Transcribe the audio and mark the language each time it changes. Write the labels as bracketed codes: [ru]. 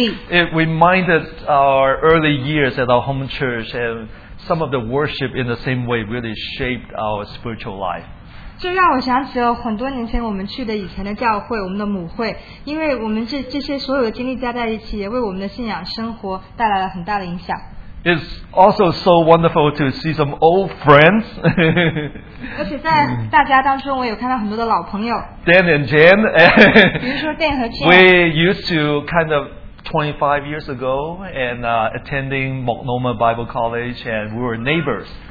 [en] It reminded our early years at our home church, and some of the worship in the same way really shaped our spiritual life. [zh] 这让我想起了很多年前我们去的以前的教会，我们的母会，因为我们这些所有的经历加在一起，也为我们的信仰生活带来了很大的影响。 [en] It's also so wonderful to see some old friends. [zh] 而且在大家当中，我有看到很多的老朋友。 [en] Dan and Jen. [zh] 比如说Dan和Jen。 [en] We used to kind of 25 years ago and attending Multnomah Bible College, and we were neighbors.